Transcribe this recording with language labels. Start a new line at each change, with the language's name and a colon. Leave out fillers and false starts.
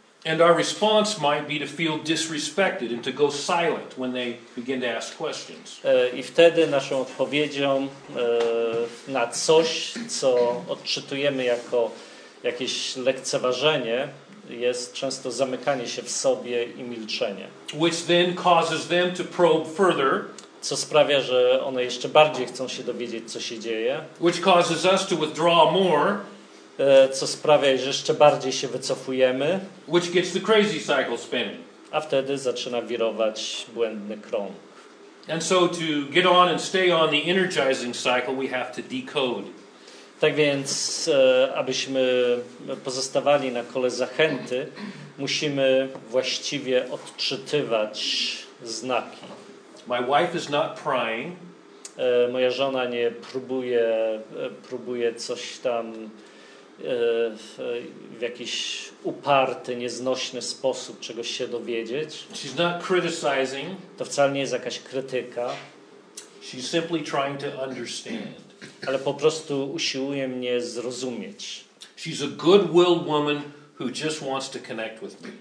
English: And our response might be to feel disrespected and to go silent when they begin to ask questions.
Polish: I wtedy naszą odpowiedzią na coś, co odczytujemy jako jakieś lekceważenie, jest często zamykanie się w sobie i milczenie.
English: Which then causes them to probe further.
Polish: co sprawia, że one jeszcze bardziej chcą się dowiedzieć, co się dzieje.
English: Which causes us to withdraw more.
Polish: Co sprawia, że jeszcze bardziej się wycofujemy.
English: Which gets the crazy cycle spinning.
Polish: A wtedy zaczyna wirować błędny krąg.
English: And so to get on and stay on the energizing cycle, we have to decode.
Polish: Tak więc, abyśmy pozostawali na kole zachęty, musimy właściwie odczytywać znaki.
English: My wife is not prying.
Polish: Moja żona nie próbuje, próbuje coś tam w jakiś uparty, nieznośny sposób czegoś się dowiedzieć.
English: She's not criticizing.
Polish: To wcale nie jest jakaś krytyka.
English: She's simply trying to understand.
Polish: Ale po prostu usiłuje mnie zrozumieć.
English: She's a good-willed woman who just wants to connect with me.